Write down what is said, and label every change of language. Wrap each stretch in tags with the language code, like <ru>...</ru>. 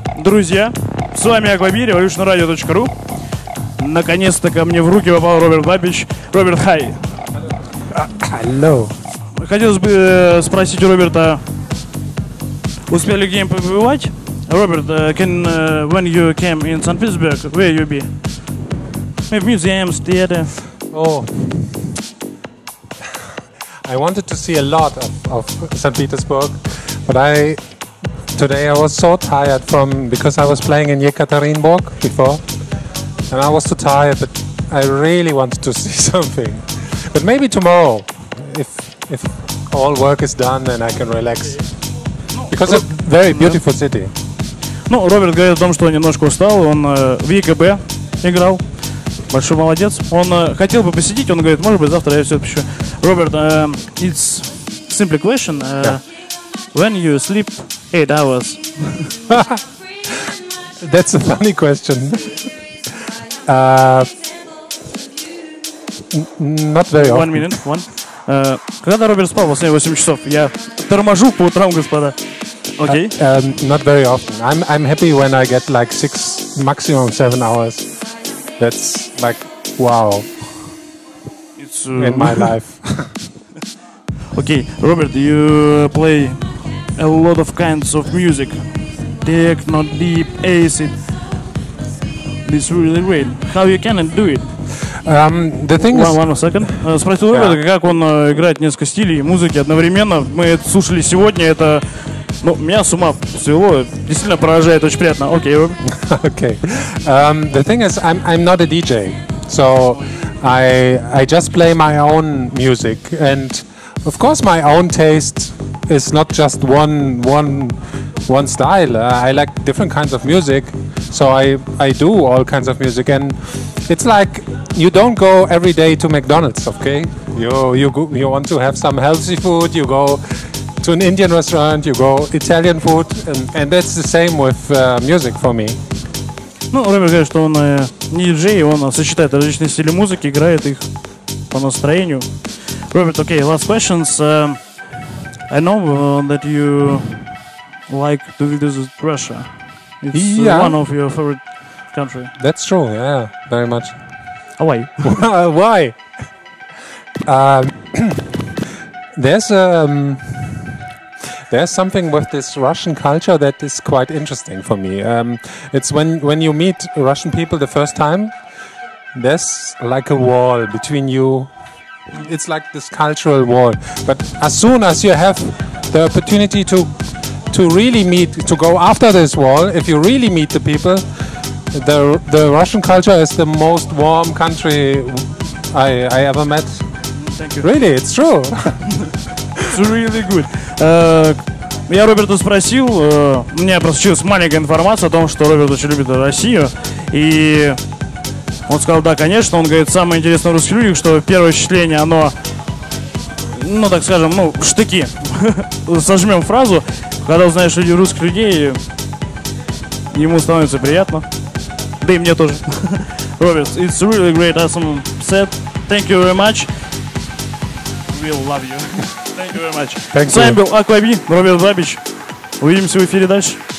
<ru>друзья, с вами Аквабир, RevolutionRadio.ru. Наконец-то ко мне в руки попал Роберт Бабич. Роберт, хай!</ru> <en>Hello!</en> <ru>Хотелось бы спросить у Роберта, успели ли где-нибудь побывать?</ru> <en>Роберт, when you came in St. Petersburg, where you be? We have museums, theater. Oh, I wanted to see a lot of St. Petersburg, but today I was so tired from, because I was playing in Yekaterinburg before, and I was too tired, but I really wanted to see something. But maybe tomorrow, if all work is done, then I can relax. Because it's a very beautiful city.</en> <ru>Ну, Роберт говорит о том, что он немножко устал, он в ЕКБ играл. Большой молодец. Он хотел бы посидеть, он говорит, может быть, завтра я все отпущу.</ru> <en>Роберт, it's simply question. When you sleep 8 hours? That's a funny question. Not very often. One minute, one.</en> <ru>Когда Роберт спал, 8 часов, я торможу по утрам, господа.</ru> <en>Okay. Not very often. I'm happy when I get like 6, maximum 7 hours. That's like wow. It's in my life. Okay, Robert, you play a lot of kinds of music. Techno, deep, acid. This really great. How you can do it? The thing is one second.</en> <ru>Спросил Роберта, как он играет несколько стилей музыки одновременно. Мы это слушали сегодня, это ну, меня с ума свело, действительно поражает, очень приятно.</ru> <en>Окей. Okay. Okay. The thing is, I'm not a DJ, so I just play my own music, and of course my own taste is not just one style. I like different kinds of music, so I do all kinds of music, and it's like you don't go every day to McDonald's, okay? You want to have some healthy food, you go to an Indian restaurant, you go Italian food, and that's the same with music for me.</en> <ru>Ну, Роберт говорит, что он не диджей, он сочетает различные стили музыки, играет их по настроению.</ru> <en>Роберт, okay, last questions. I know that you like to visit Russia. It's one of your favorite country. That's true, yeah, very much. Why? Why? There's something with this Russian culture that is quite interesting for me. It's when you meet Russian people the first time, there's like a wall between you. It's like this cultural wall. But as soon as you have the opportunity to really meet, to go after this wall, if you really meet the people, the Russian culture is the most warm country I ever met. Thank you. Really, it's true. It's really good.</en> <ru>Я Роберта спросил, у меня просочилась маленькая информация о том, что Роберт очень любит Россию. И он сказал, да, конечно. Он говорит, самое интересное в русских людях, что первое впечатление, оно, ну, так скажем, ну, штыки. Сожмем фразу. Когда узнаешь людей, русских людей, ему становится приятно. Да и мне тоже.</ru> <en>Роберт, it's really great, awesome set. Thank you very much. We love you. Thank you very much. Thank</en> <ru>С вами</ru> <en>you.</en> <ru>Был Аквабир, Роберт Бабич. Увидимся в эфире дальше.</ru>